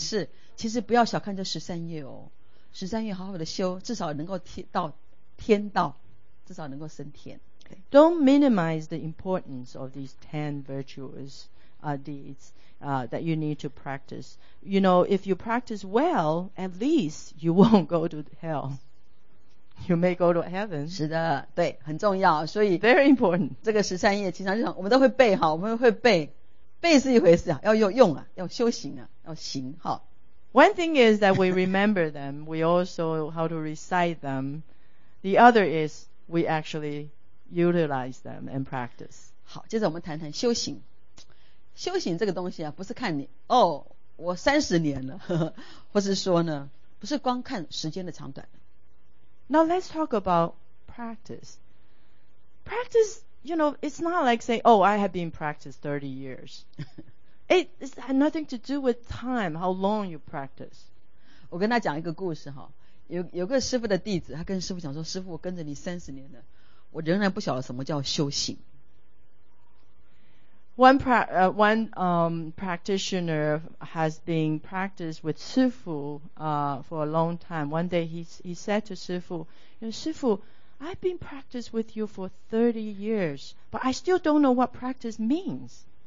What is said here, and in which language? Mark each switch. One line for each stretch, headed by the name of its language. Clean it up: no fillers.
Chinese: 是，其实不要小看这十三业哦。十三业好好的修，至少能够到天道，至少能够升天。
English: Don't minimize the importance of these ten virtues, deeds. That you need to practice. You know, if you practice well, at least you won't go to hell. You may go to heaven.
Chinese: 是的，对，很重要。所以
English: very important.
Chinese: 这个十三页经常就讲，我们都会背哈，我们会背，背是一回事啊，要用啊，要修行啊，要行哈。
English: One thing is that we remember them. We also how to recite them. The other is we actually utilize them and practice.
Chinese: 好，接着我们谈谈修行。修行这个东西啊，不是看你哦，我三十年了呵呵，或是说呢，不是光看时间的长短。
English: Now let's talk about practice. Practice, you know, it's not like saying, oh, I have been practiced 30 years. It has nothing to do with time, how long you practice.
Chinese: 我跟他讲一个故事哈，有个师父的弟子，他跟师父讲说，师父，我跟着你三十年了，我仍然不晓得什么叫修行。
English: One practitioner has been practiced with Sifu for a long time. One day he said to Sifu, you know, Sifu, I've been practiced with you for 30 years, but I still don't know what practice means.